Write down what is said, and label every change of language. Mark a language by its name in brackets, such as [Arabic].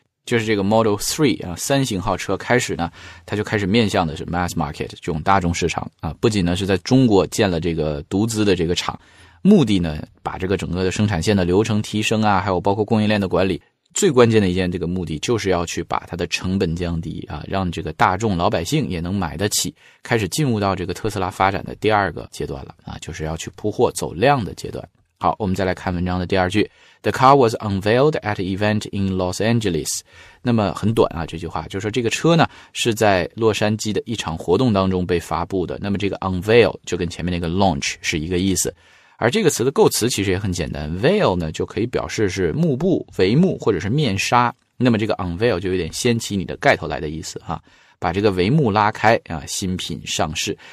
[Chinese] 就是这个 Model 3,三型号车开始呢，它就开始面向的是 mass market, 这种大众市场啊，不仅呢是在中国建了这个独资的这个厂，目的呢把这个整个的生产线的流程提升啊，还有包括供应链的管理，最关键的一件这个目的就是要去把它的成本降低啊，让这个大众老百姓也能买得起，开始进入到这个特斯拉发展的第二个阶段了啊，就是要去铺货走量的阶段。好，我们再来看文章的第二句。 [English] The car was unveiled at an event in Los Angeles. [Chinese] 那么很短啊，这句话就是说这个车呢是在洛杉矶的一场活动当中被发布的。那么这个 unveil 就跟前面那个 launch 是一个意思。而这个词的构词其实也很简单， veil 呢就可以表示是幕布、帷幕或者是面纱。那么这个 unveil 就有点掀起你的盖头来的意思啊，把这个帷幕拉开啊，新品上市。